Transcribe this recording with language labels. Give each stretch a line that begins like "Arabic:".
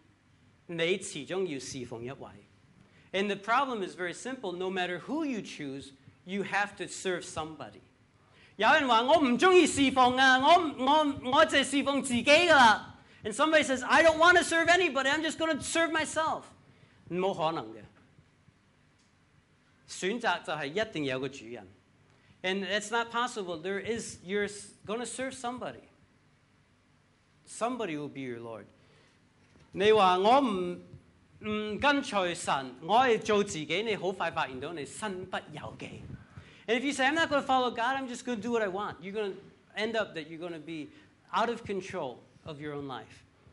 Chinese: 其实个问题很简单，无论你选哪一个，你要知，你始终要侍奉一位。
English: And the problem is very simple. No matter who you choose, you have to serve somebody.
Chinese: 有人说我不喜欢侍奉啊，我只侍奉自己的。
English: And somebody says, I don't want to serve anybody, I'm just going to serve myself.
Chinese: 不可能的。选择就是一定有个主人。
English: And it's not possible. You're going to serve somebody. Somebody will be your Lord.
Chinese: 你说我不跟随神，我是做自己，你很快发现到你身不由己。
English: And if you say, I'm not going to follow God, I'm just going to do what I want, you're going to end up that you're going to be out of control of your own life.